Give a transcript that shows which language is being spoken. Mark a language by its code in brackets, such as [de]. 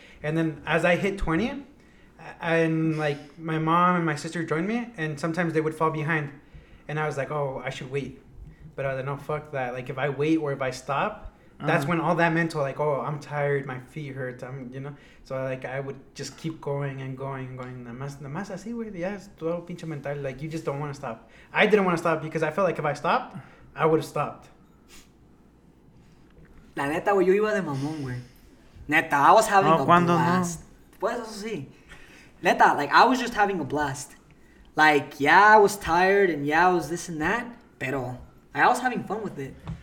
[en] And then, as I hit 20, and, like, my mom and my sister joined me, and sometimes they would fall behind. And I was like, oh, I should wait. But I was like, no, fuck that. Like, if I wait or if I stop, That's when all that mental, like, oh, I'm tired, my feet hurt, I'm, you know. So, like, I would just keep going and going and going. [es] Nada más así, güey, ya es todo pinche mental. [en] Like, you just don't want to stop. I didn't want to stop because I felt like if I stopped, I would have stopped. [es] La neta, güey, yo iba de mamón, güey. [en] Neta, I was having a blast. [es] No. Pues eso sí. [en] Neta, like, I was just having a blast. Like, yeah, I was tired and yeah, I was this and that. Pero I was having fun with it.